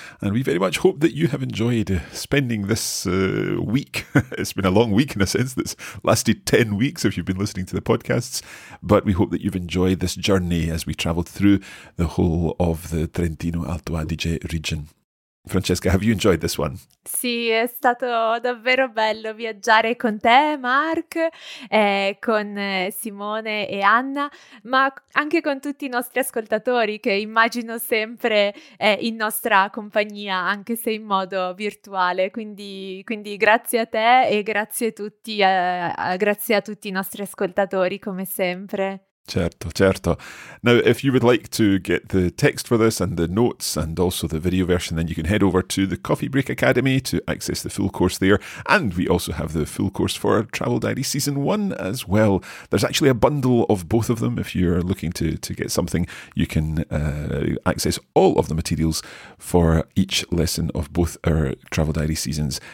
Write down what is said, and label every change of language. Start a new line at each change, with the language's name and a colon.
English: And we very much hope that you have enjoyed spending this week. It's been a long week in a sense that's lasted 10 weeks if you've been listening to the podcasts. But we hope that you've enjoyed this journey as we traveled through the whole of the Trentino Alto Adige region. Francesca, have you enjoyed this one?
Italian: Sì, è stato davvero bello viaggiare con te, Mark, con Simone e Anna, ma anche con tutti i nostri ascoltatori che immagino sempre in nostra compagnia, anche se in modo virtuale. Quindi grazie a te e grazie a tutti i nostri ascoltatori, come sempre. Certo, certo.
English: Now, if you would like to get the text for this and the notes and also the video version, then you can head over to the Coffee Break Academy to access the full course there. And we also have the full course for Travel Diary Season 1 as well. There's actually a bundle of both of them. If you're looking to get something, you can access all of the materials for each lesson of both our Travel Diary Seasons.